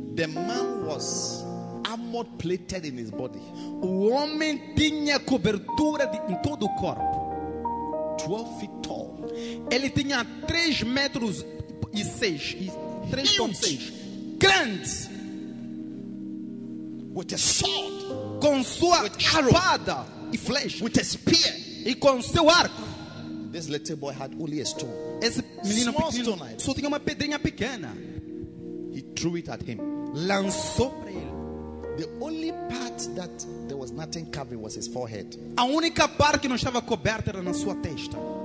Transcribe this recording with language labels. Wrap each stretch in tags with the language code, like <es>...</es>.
<en>The man was armor plated in his body.</en> <pt>O homem tinha cobertura em todo o corpo.</pt> <en>12 feet tall.</en> <pt>Ele tinha 3 metros e 6. 3.6. Grande.</pt> <en>With a sword.</en> <pt>Com sua espada e flecha.</pt> <en>With a spear.</en> <pt>E com seu arco.</pt> <en>This little boy had only a stone.</en> <pt>Esse menino</pt> <en>small</en> <pt>pequeno</pt> <en>stone,</en> <pt>só tinha uma pedrinha pequena.</pt> <en>He threw it at him.</en> <pt>Lançou para ele.</pt> <en>The only part that there was nothing covering was his forehead.</en> <pt>A única parte que não estava coberta era na sua testa.</pt>